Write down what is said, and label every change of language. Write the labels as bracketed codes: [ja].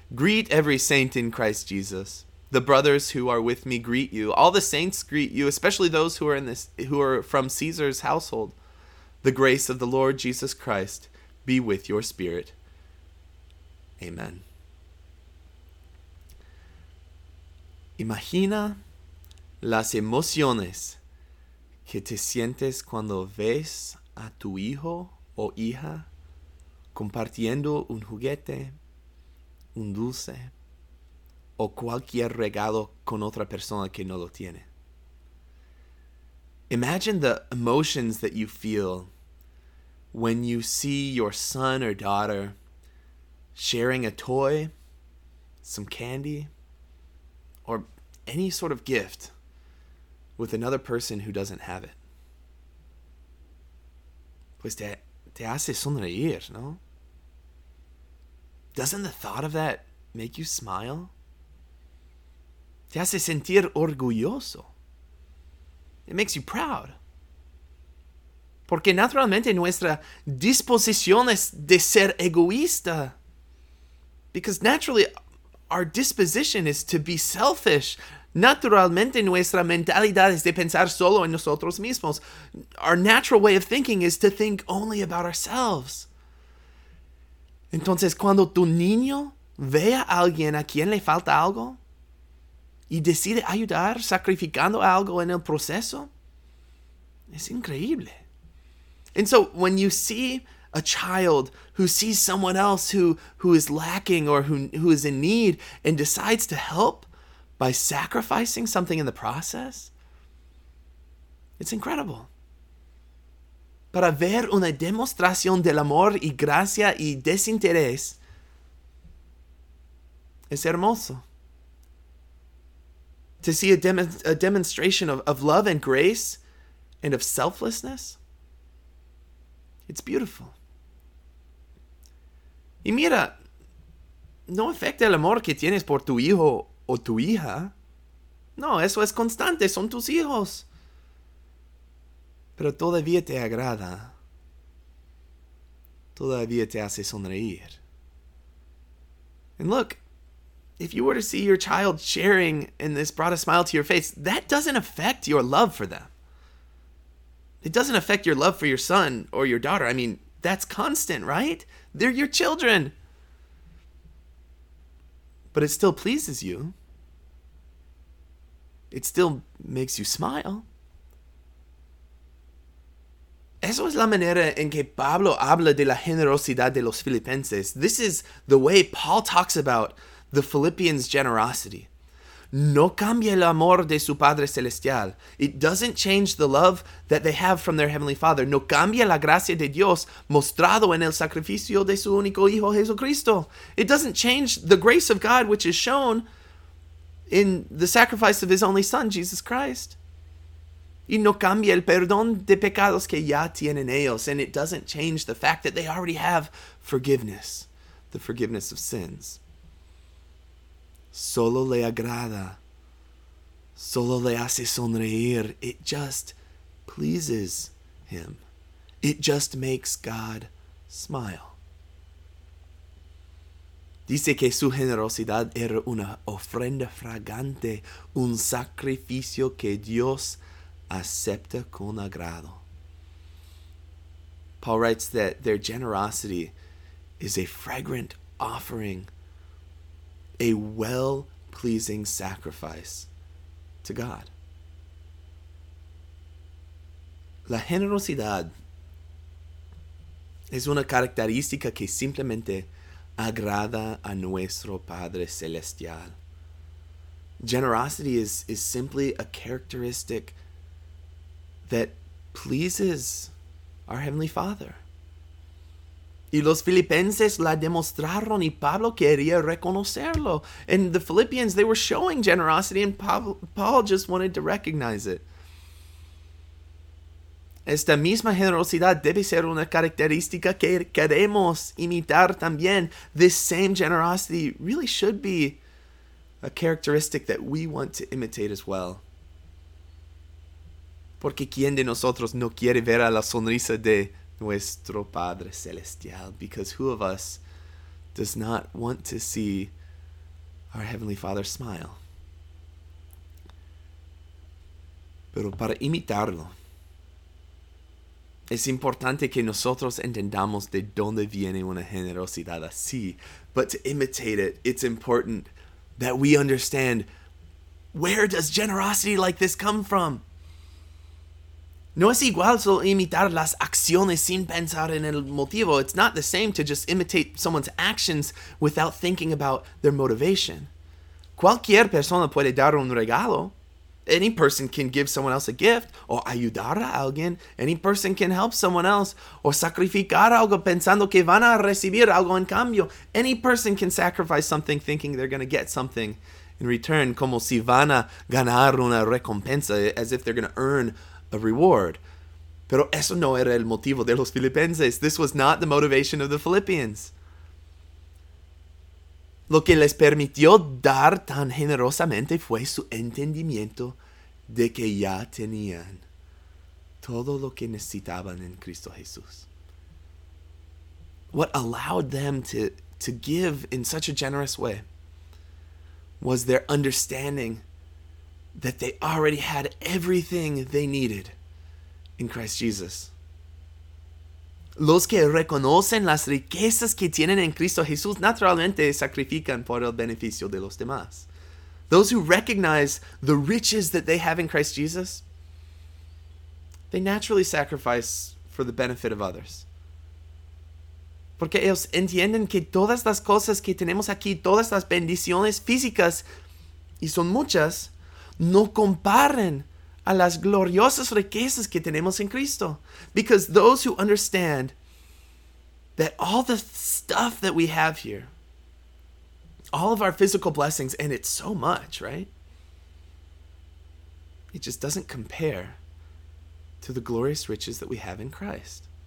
[en] Greet every saint in Christ Jesus. The brothers who are with me greet you. All the saints greet you, especially those who are from Caesar's household. The grace of the Lord Jesus Christ be with your spirit. Amen. [es] Imagina las emociones que te sientes cuando ves a tu hijo o hija compartiendo un juguete, un dulce, o cualquier regalo con otra persona que no lo tiene. [en] Imagine the emotions that you feel when you see your son or daughter sharing a toy, some candy, or any sort of gift with another person who doesn't have it. [es] Pues te hace sonreír, ¿no? [en] Doesn't the thought of that make you smile? [es] Te hace sentir orgulloso. [en] It makes you proud. [es] Porque naturalmente nuestra disposición es de ser egoísta. [en] Because naturally our disposition is to be selfish. [es] Naturalmente nuestra mentalidad es de pensar solo en nosotros mismos. [en] Our natural way of thinking is to think only about ourselves. [es] Entonces cuando tu niño ve a alguien a quien le falta algo, y decide ayudar sacrificando algo en el proceso, es increíble. [en] And so when you see a child who sees someone else who is lacking or who is in need and decides to help by sacrificing something in the process, it's incredible. [es] Para ver una demostración del amor y gracia y desinterés, es hermoso. [en] To see a demonstration of love and grace and of selflessness, it's beautiful. [es] Y mira, no afecta el amor que tienes por tu hijo o tu hija. No, eso es constante, son tus hijos. Pero todavía te agrada. Todavía te hace sonreír. [en] And look, if you were to see your child sharing and this brought a smile to your face, that doesn't affect your love for them. It doesn't affect your love for your son or your daughter. I mean, that's constant, right? They're your children. But it still pleases you. It still makes you smile. [es] Eso es la manera en que Pablo habla de la generosidad de los filipenses. [en] This is the way Paul talks about the Philippians' generosity. [es] No cambia el amor de su Padre Celestial. [en] It doesn't change the love that they have from their Heavenly Father. [es] No cambia la gracia de Dios mostrado en el sacrificio de su único Hijo Jesucristo. [en] It doesn't change the grace of God which is shown in the sacrifice of His only Son, Jesus Christ. [es] Y no cambia el perdón de pecados que ya tienen ellos. [en] And it doesn't change the fact that they already have forgiveness, the forgiveness of sins. [es] Solo le agrada. Solo le hace sonreír. [en] It just pleases him. It just makes God smile. [es] Dice que su generosidad era una ofrenda fragante, un sacrificio que Dios acepta con agrado. [en] Paul writes that their generosity is a fragrant offering, a well-pleasing sacrifice to God. [es] La generosidad es una característica que simplemente agrada a nuestro Padre Celestial. [en] Generosity is simply a characteristic that pleases our Heavenly Father. [es] Y los Filipenses la demostraron y Pablo quería reconocerlo. [en] And the Philippians, they were showing generosity and Paul just wanted to recognize it. [es] Esta misma generosidad debe ser una característica que queremos imitar también. [en] This same generosity really should be a characteristic that we want to imitate as well. [es] Porque ¿quién de nosotros no quiere ver a la sonrisa de nuestro Padre Celestial? [en] Because who of us does not want to see our Heavenly Father smile? [es] Pero para imitarlo, es importante que nosotros entendamos de dónde viene una generosidad así. [en] But to imitate it, it's important that we understand, where does generosity like this come from? [es] No es igual solo imitar las acciones sin pensar en el motivo. [en] It's not the same to just imitate someone's actions without thinking about their motivation. [es] Cualquier persona puede dar un regalo. [en] Any person can give someone else a gift or [es] ayudar a alguien. [en] Any person can help someone else or [es] sacrificar algo pensando que van a recibir algo en cambio. [en] Any person can sacrifice something thinking they're going to get something in return, [es] como si van a ganar una recompensa, [en] as if they're going to earn a reward. [es] Pero eso no era el motivo de los Filipenses. [en] This was not the motivation of the Philippians. [es] Lo que les permitió dar tan generosamente fue su entendimiento de que ya tenían todo lo que necesitaban en Cristo Jesús. [en] What allowed them to give in such a generous way was their understanding that they already had everything they needed in Christ Jesus. [es] Los que reconocen las riquezas que tienen en Cristo Jesús naturalmente sacrifican por el beneficio de los demás. [en] Those who recognize the riches that they have in Christ Jesus, they naturally sacrifice for the benefit of others. [es] Porque ellos entienden que todas las cosas que tenemos aquí, todas las bendiciones físicas, y son muchas, no comparen a las gloriosas riquezas que tenemos en Cristo. [en] Because those who understand that all the stuff that we have here, all of our physical blessings, and it's so much, right? It just doesn't compare to the glorious riches that we have in Christ.